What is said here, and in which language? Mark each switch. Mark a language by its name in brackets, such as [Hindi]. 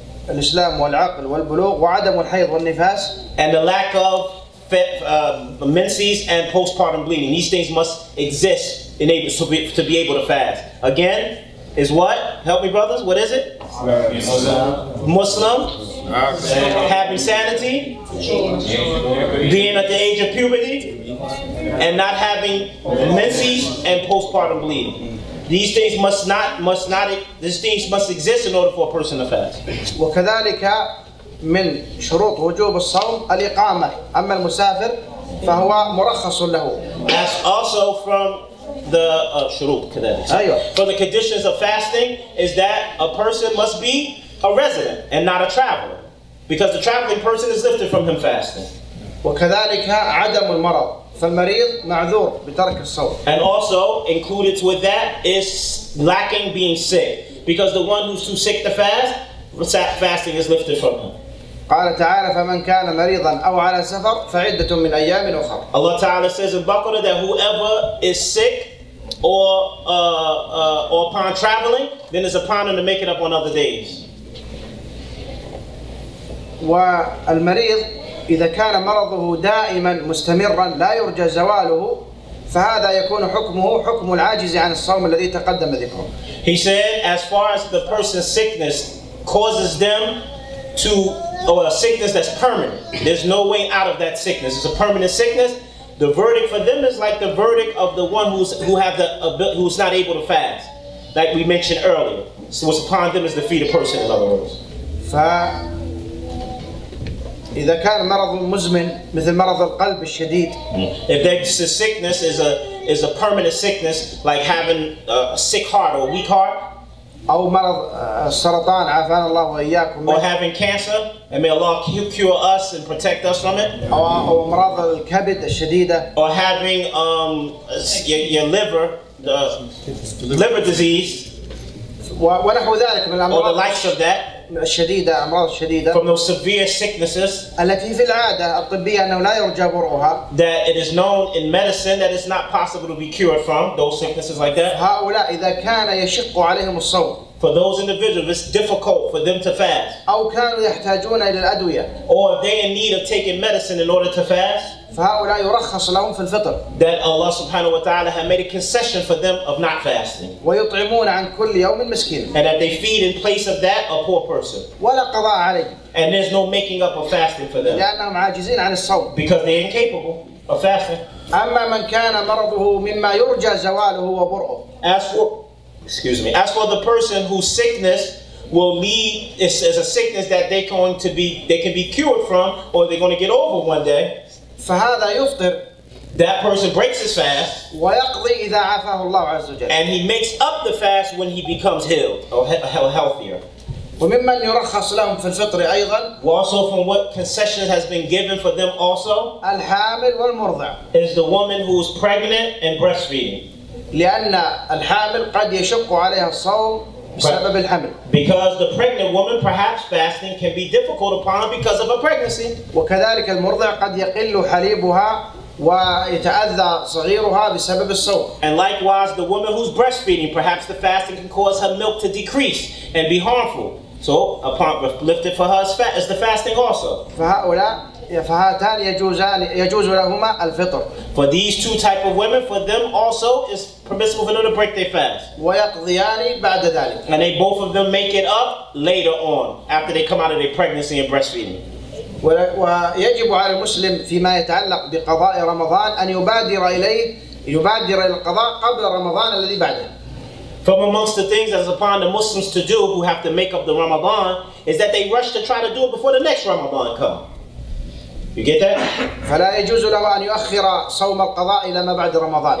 [Arabic] الإسلام والعقل والبلوغ وعدم الحيض والنفاس [English] and the lack of menses and postpartum bleeding. These things must exist in able, to be able to fast. Again, is what? Help me, brothers. What is it? Muslim. Having sanity. Being at the age of puberty. And not having menses and postpartum bleeding. These things must not. These things must exist in order for a person to fast. [Arabic] وكذلك من شروط وجوب الصوم الإقامة. أما المسافر فهو مرخص له. [English] As also from the [Arabic] شروط كذلك. أيوة. [English] For the conditions of fasting is that a person must be a resident and not a traveler, because the traveling person is lifted from him fasting. [Arabic] وكذلك عدم المرض. فالمريض معذور بترك الصوم. [English] And also included with that is lacking being sick, because the one who's too sick to fast, fasting is lifted from him. [Arabic] قال تعالى فمن كان مريضا أو على سفر فعدة من أيام أخرى. [English] Allah Taala says in Baqarah that whoever is sick or upon traveling, then it's upon him to make it up on other days. والمريض إذا كان مرضه دائما مستمرا لا يرجى زواله فهذا يكون حكمه حكم العاجز عن الصوم الذي تقدم ذكره. He said as far as the person's sickness causes them to or a sickness that's permanent. There's no way out of that sickness. It's a permanent sickness. The verdict for them is like the verdict of the one who's not able to fast. Like we mentioned earlier. So what's upon them is the feet of person in other words. [Arabic] إذا كان مرض مزمن مثل مرض القلب الشديد [English] If this sickness is a permanent sickness like having a sick heart or a weak heart [Arabic] أو مرض السرطان عافانا الله وإياكم [English] Or having cancer and may Allah cure us and protect us from it [Arabic] أو مرض الكبد الشديدة [English] Or having your liver the liver disease [Arabic] ونحو ذلك من الأمراض [English] Or the likes of that [Arabic] الشديدة أمراض شديدة. [English] From those severe sicknesses. [Arabic] التي في العادة الطبية أنه لا يرجى برؤها. [English] That it is known in medicine that it's not possible to be cured from those sicknesses like that. [Arabic] هؤلاء إذا كان يشق عليهم الصوم. [English] For those individuals, it's difficult for them to fast. [Arabic] أو كانوا يحتاجون إلى الأدوية. [English] Or they in need of taking medicine in order to fast. [Arabic] فهؤلاء يرخص لهم في الفطر. [English] That Allah subhanahu wa ta'ala had made a concession for them of not fasting. [Arabic] ويطعمون عن كل يوم مسكين. [English] And that they feed in place of that a poor person. [Arabic] ولا قضاء عليهم. [English] And there's no making up of fasting for them. [Arabic] لأنهم عاجزين عن الصوم. [English] Because they're incapable of fasting. [Arabic] أما من كان مرضه مما يرجى زواله وبرؤه. [English] As for the person whose sickness will lead, is a sickness that they can be cured from, or they're going to get over one day. [Arabic] فهذا يفطر. [English] That person breaks his fast. [Arabic] ويقضي إذا عافاه الله عز وجل. [English] And he makes up the fast when he becomes healed or healthier. [Arabic] وممن يرخص لهم في الفطر أيضا. [English] Also from what concession has been given for them also. [Arabic] الحامل والمرضع. [English] Is the woman who is pregnant and breastfeeding. [Arabic] لأن الحامل قد يشق عليها الصوم بسبب الحمل. [English] Because the pregnant woman perhaps fasting can be difficult upon her because of a pregnancy. [Arabic] وكذلك المرضع قد يقل حليبها ويتأذى صغيرها بسبب الصوم. [English] And likewise the woman who's breastfeeding perhaps the fasting can cause her milk to decrease and be harmful. So upon lifted for her is the fasting also. [Arabic] فهؤلاء فهاتان يجوز لهما الفطر. [English] For these two type of women, for them also is permissible for them to break their fast. [Arabic] ويقضيان بعد ذلك. [English] And they both of them make it up later on after they come out of their pregnancy and breastfeeding. [Arabic] ويجب على المسلم فيما يتعلق بقضاء رمضان أن يبادر إليه يبادر القضاء قبل رمضان الذي بعده. [English] From amongst the things that is upon the Muslims to do who have to make up the Ramadan is that they rush to try to do it before the next Ramadan come. You get that? [Arabic] فلا يجوز له أن يؤخر صوم القضاء إلى ما بعد رمضان.